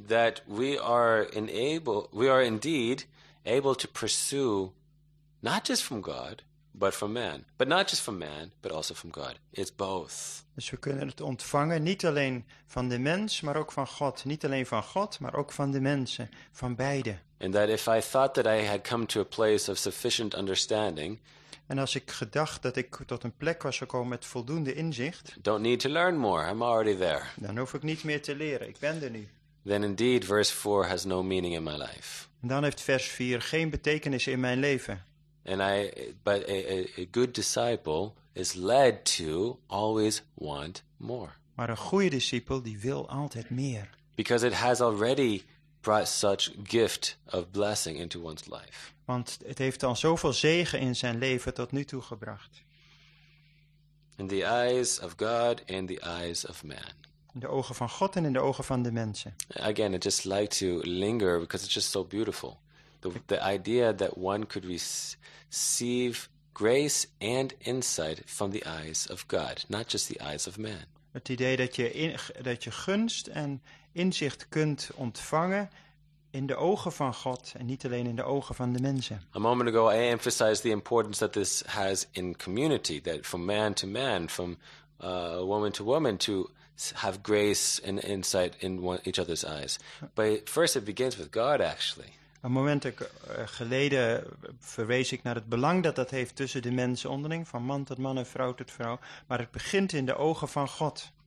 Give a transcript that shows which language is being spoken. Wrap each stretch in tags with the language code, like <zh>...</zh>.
<en>That we are indeed able to pursue not just from God, but from man. But not just from man, but also from God. It's both.</en> <nl>Dus we kunnen het ontvangen niet alleen van de mens, maar ook van God. Niet alleen van God, maar ook van de mensen. Van beide.</nl> <en>And that if I thought that I had come to a place of sufficient understanding.</en> <nl>En als ik gedacht dat ik tot een plek was gekomen met voldoende inzicht.</nl> <en>Don't need to learn more. I'm already there.</en> <nl>Dan hoef ik niet meer te leren. Ik ben er nu.</nl> <en>Then indeed verse 4 has no meaning in my life.</en> <nl>En dan heeft vers 4 geen betekenis in mijn leven.</nl> <en>But a good disciple is led to always want more.</en> <nl>Maar een goede discipel die wil altijd meer.</nl> <en>Because it has already brought such gift of blessing into one's life.</en> <nl>Want het heeft al zoveel zegen in zijn leven tot nu toe gebracht.</nl> <en>In the eyes of God and the eyes of man.</en> <nl>In de ogen van God en in de ogen van de mensen.</nl> <en>Again, I just like to linger because it's just so beautiful. The idea that one could receive grace and insight from the eyes of God, not just the eyes of man.</en> <nl>Het idee dat je gunst en inzicht kunt ontvangen in de ogen van God en niet alleen in de ogen van de mensen.</nl> <en>A moment ago I emphasized the importance that this has in community, that from man to man, from woman to woman, to have grace and insight in each other's eyes. But first it begins with God actually.</en> <nl>Een moment geleden verwees ik naar het belang dat dat heeft tussen de mensen onderling, van man tot man en vrouw tot vrouw, maar het begint in de ogen van God.</nl>